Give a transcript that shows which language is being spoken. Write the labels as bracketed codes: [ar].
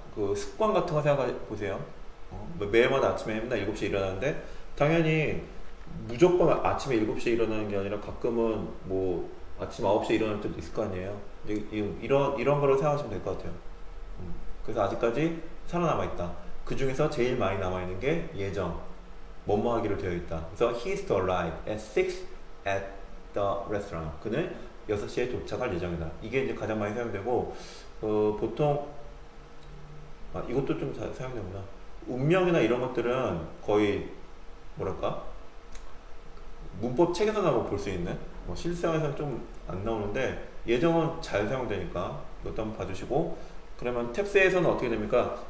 [ko] 그 습관 같은 거 생각해 보세요. 뭐 매일마다 아침에 맨날 7시에 일어나는데, 당연히 무조건 아침에 7시에 일어나는 게 아니라 가끔은 뭐 아침 9시에 일어날 때도 있을 거 아니에요. 이런 거로 생각하시면 될것 같아요. 그래서 아직까지 살아남아있다. 그 중에서 제일 많이 남아있는 게 예정. 뭐뭐 하기로 되어 있다. 그래서 [en] he's to arrive at 6 at the restaurant. [ko] 그는 6시에 도착할 예정이다. 이게 이제 가장 많이 사용되고, 보통, 이것도 좀 사용되구나. 운명이나 이런 것들은 거의, 뭐랄까, 문법 책에서나 볼수 있는, 뭐 실생활에서는 좀안 나오는데, 예정은 잘 사용되니까, 이것도 한번 봐주시고, 그러면 탭스에서는 어떻게 됩니까?